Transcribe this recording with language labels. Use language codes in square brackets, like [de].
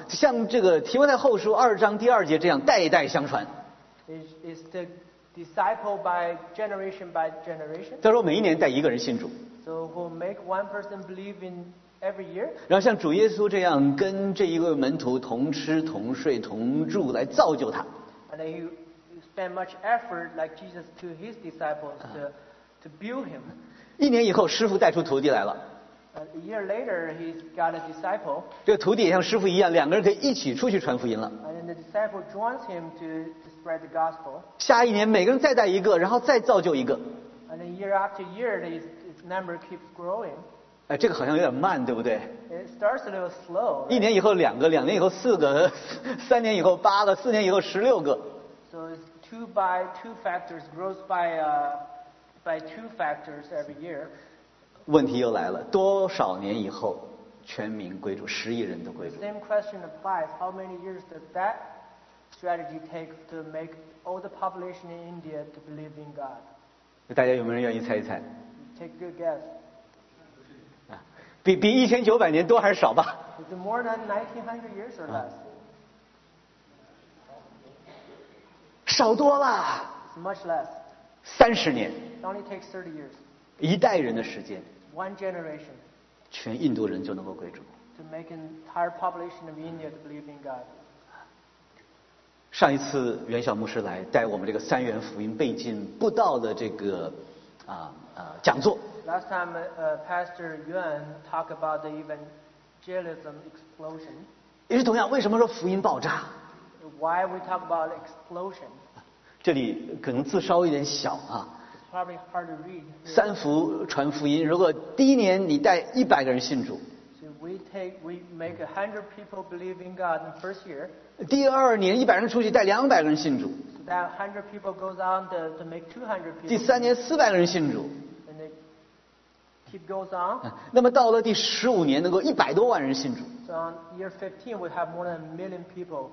[zh] 像这个提摩太后书2:2这样代代相传。 [en] Is to disciple by generation by generation. [zh] 他说每一年带一个人信主。 [en] So we'll make one person believe in every year. [zh] 然后像主耶稣这样跟这一位门徒同吃同睡同住来造就他。 [en] And then you spend much effort like Jesus to his disciples to build him. [zh] 一年以后，师傅带出徒弟来了。 [en] A year later, he's got a disciple. [zh] 这个徒弟也像师傅一样，两个人可以一起出去传福音了。 [en] And then the disciple joins him to. The gospel. [zh] 下一年每个人再带一个，然后再造就一个。 [en] And then year after year, its number keeps growing. [zh] 哎，这个好像有点慢，对不对 [en] ？It starts a little slow. [zh] 一年以后两个，两年以后4个，3年以后8个，4年以后16个。 [en] So it's two by two factors grows by two factors every year. [zh] 问题又来了，多少年以后全民归主，10亿人都归主 [en] ？Same question applies. How many years does that? Strategy takes to make all the population in India to believe in God. [zh] 大家有没有人愿意猜一猜 [en] ？Take a good guess. [zh] 比1900年多还是少吧 [en] ？Is it more than 1900 years or less? [zh] 少多了。 [en] It's much less. [zh] 30年。 [en] It only takes 30 years. [zh] 一代人的时间。 [en] One generation. [zh] 全印度人就能够归主。 [en] To make an entire population of India to believe in God. [zh] 上一次袁晓牧师来带我们这个三元福音背经布道的这个讲座。 [en] Last time, Pastor Yuan talked about the evangelism explosion. [zh] 也是同样，为什么说福音爆炸 [en] ？Why we talk about explosion？ [zh] 这里可能字稍微有点小啊。 [en] It's probably hard to read. [zh] 三福传福音，如果第一年你带100个人信主。 [en] We make 100 people believe in God in the first year. [zh] 第二年100人出去带200个人信主。 [en] That 100 people goes on to make 200 people. [zh] 第三年400个人信主。 [en] And Keep goes on. [zh] 那么到了第十五年，能够一百多万人信主。 [en] So on year 15, we have more than a million people.